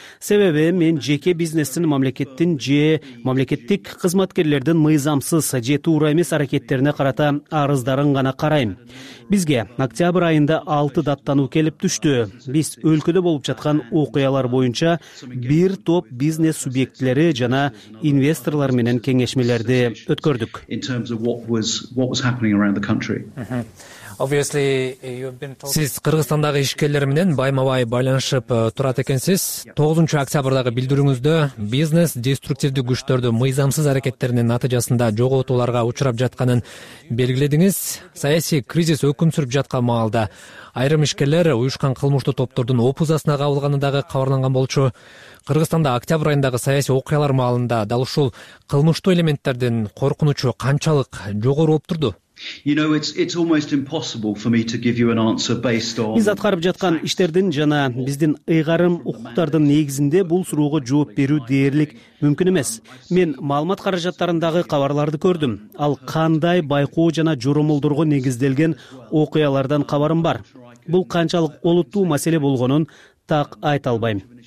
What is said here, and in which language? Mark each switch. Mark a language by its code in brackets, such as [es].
[ky] Себеби мен жеке бизнестин мамлекеттин же мамлекеттик кызматкерлердин мыйзамсыз же туура эмес аракеттерине карата арыздарын гана карайм. Бизге октябрь айында 6 даттануу келип түштү. Биз өлкөдө болуп жаткан окуялар боюнча бир топ бизнес субъектилери жана инвесторлор менен кеңешмелерди өткөрдүк. [en] What was happening around the country? Obviously, you've been talking. [ky] Сиз Кыргызстандагы ишкерлер менен байма-бай байланышып турат экенсиз. 9 октябрдагы билдирүүңүздө бизнес деструктивдүү күчтөрдү мыйзамсыз аракеттеринин натыйжасында жоготууларга учурап жатканын белгиледиңиз. Саясий кризис өкүм сүрүп жаткан маалда айрым ишкерлер уюшкан кылмыштуу топтордун опузасына кабылганы дагы кабарланган болчу. Кыргызстанда октябрь айындагы саясий окуялар маалында дал ушул кылмыштуу элементтердин коркунучу канчалык жогору болуп турду? [en] You know, it's almost impossible for me to give you an answer based on. [ky] Биз аткарып жаткан иштердин жана биздин ыйгарым укуктардын негизинде бул суроого жооп берүү дээрлик мүмкүн эмес. Мен маалымат каражаттарындагы кабарларды көрдүм. Ал кандай байкоо жана жоромолдорго негизделген окуялардан кабарым бар. Бул канчалык олуттуу маселе болгонун так айта албайм.